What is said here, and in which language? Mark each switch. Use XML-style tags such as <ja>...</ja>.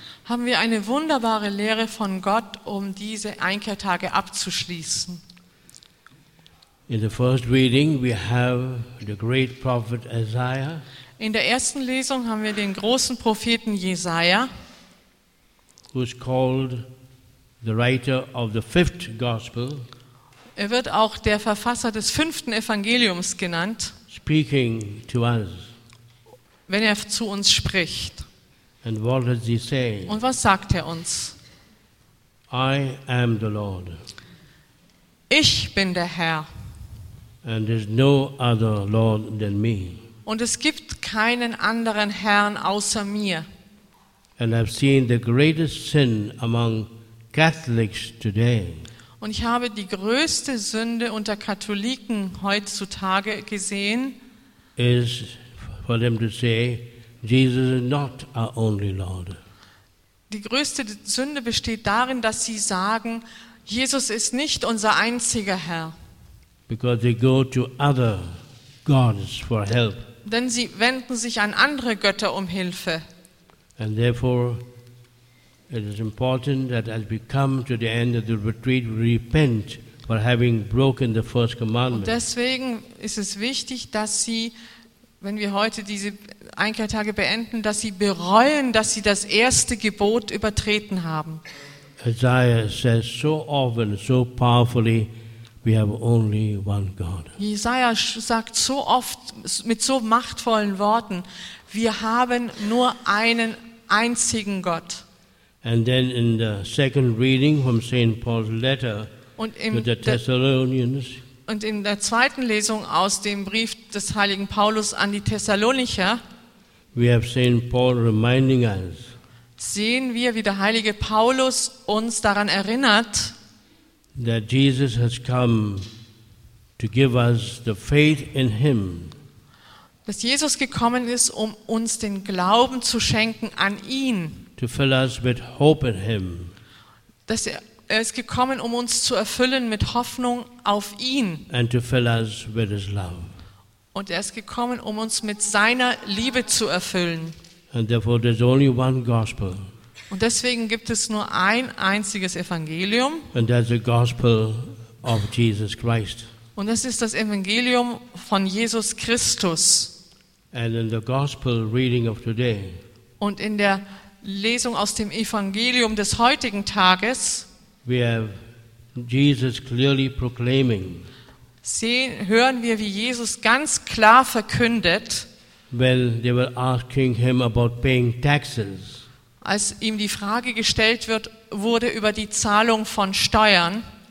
<de>Haben wir eine wunderbare Lehre von Gott, um diese Einkehrtage abzuschließen.</de> <en>In the first reading we have the great prophet Isaiah.</en> <de>In der ersten Lesung haben wir den großen Propheten Jesaja,</de> <en>who is called the writer of the fifth gospel.</en> <de>Er wird auch der Verfasser des fünften Evangeliums genannt.</de> <en>Speaking to us.</en> <de>Wenn er zu uns spricht.</de> <en>And what does he say?</en> <de>Und was sagt er uns?</de> <en>I am the Lord.</en> <de>Ich bin der Herr.</de> <en>And there's no other Lord than me.</en> <de>Und es gibt keinen anderen Herrn außer mir.</de> <en>And I've seen the greatest sin among Catholics today.</en> <de>Und ich habe die größte Sünde unter Katholiken heutzutage gesehen.</de> <en>Is for them to say, Jesus is not our only Lord.</en> <de>Die größte Sünde besteht darin, dass sie sagen, Jesus ist nicht unser einziger Herr.</de> <en>Because they go to other gods for help.</en> <de>Denn sie wenden sich an andere Götter um Hilfe.</de> <en>And therefore, it is important that as we come to the end of the retreat, we repent for having broken the first commandment.</en> <de>Und deswegen ist es wichtig, dass sie, wenn wir heute diese Einkehrtage beenden, dass sie bereuen, dass sie das erste Gebot übertreten haben.</de> <en>Isaiah says so often, so powerfully, we have only one God.</en> <de>Jesaja sagt so oft mit so machtvollen Worten, wir haben nur einen einzigen Gott.</de> <en>And then in the second reading from St. Paul's letter to the Thessalonians.</en> <de>Und in der zweiten Lesung aus dem Brief des heiligen Paulus an die Thessalonicher,</de> <en>we have St. Paul reminding us,</en> <de>sehen wir, wie der heilige Paulus uns daran erinnert,</de> <en>that Jesus has come to give us the faith in him.</en> <de>Dass Jesus gekommen ist, um uns den Glauben zu schenken an ihn.</de> <en>To fill us with hope in him.</en> <de>Dass er ist gekommen, um uns zu erfüllen mit Hoffnung auf ihn.</de> <en>And to fill us with his love.</en> <de>Und er ist gekommen, um uns mit seiner Liebe zu erfüllen.</de> <en>And therefore there's only one gospel.</en> <de>Und deswegen gibt es nur ein einziges Evangelium.</de> <en>And that's the gospel of Jesus Christ.</en> <de>Und das ist das Evangelium von Jesus Christus.</de> <en>And in the gospel reading of today,</en> <de>und in der Lesung aus dem Evangelium des heutigen Tages,</de> <en>we have Jesus clearly proclaiming,</en> <de>hören wir, wie Jesus ganz klar verkündet,</de> <en>when they were asking him about paying taxes,</en> <de>als ihm die Frage gestellt wurde über die Zahlung von Steuern,</de>